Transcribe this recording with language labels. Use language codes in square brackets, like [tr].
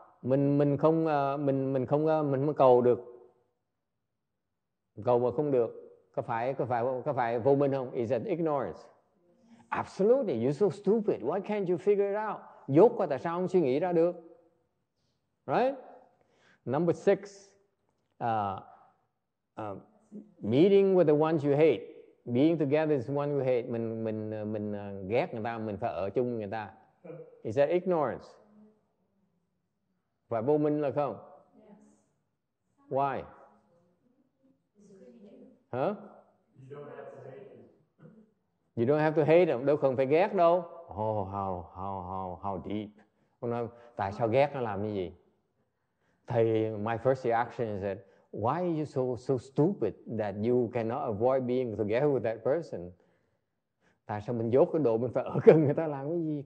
[vi] Mình không cầu được. Cầu mà không được, có phải vô minh không? [en] Is it ignorance? Absolutely. You're so stupid. Why can't you figure it out? [vi] Dốt quá, tại sao không suy nghĩ ra được? [en] right? Number six, meeting with the ones you hate. Being together is one you hate. [vi] Mình ghét người ta, mình phải ở chung người ta. [en] Is that ignorance? [vi] Phải vô minh là không? [en] Yes. Why? Huh? You don't have to hate them. You don't have to hate them. [vi] Đâu cần phải ghét đâu. [en] Oh, how deep. [vi] Tại sao ghét nó làm cái gì? [en] Thì my first reaction is that why are you so stupid that you cannot avoid being together with that person? [vi] Tại sao mình dốt cái độ mình phải ở gần người ta làm cái gì?